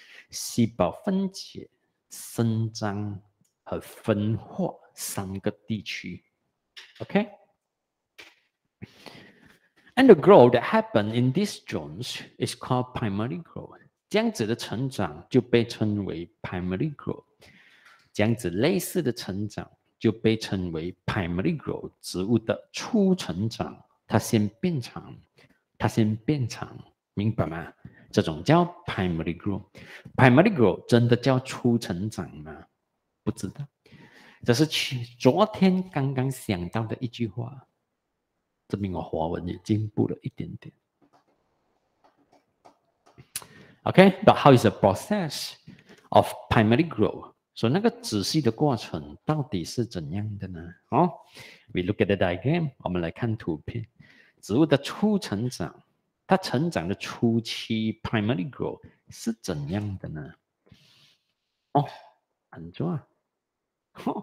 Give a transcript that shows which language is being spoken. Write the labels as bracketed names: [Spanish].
[Chinese] 细胞分解, 生长, 和分化, 三个地区. [English] Okay? And the growth that happens in these zones is called primary growth. [Chinese] 这样子的成长就被称为 primary growth. 这样子类似的成长就被称为 primary growth, 植物的初成长, 它先变长, 它先变长, 明白吗? 这种叫 primary growth. Primary growth 真的叫初成长吗?不知道. 这是昨天刚刚想到的一句话, 证明我华文也进步了一点点. [English] Okay, but how is the process of primary growth? [Chinese] So 那个仔细的过程到底是怎样的呢? [English] Oh, we look at the diagram, [Chinese] 我们来看图片.植物的初成长, 它成长的初期 primary growth 是怎样的呢? Oh, 很重要.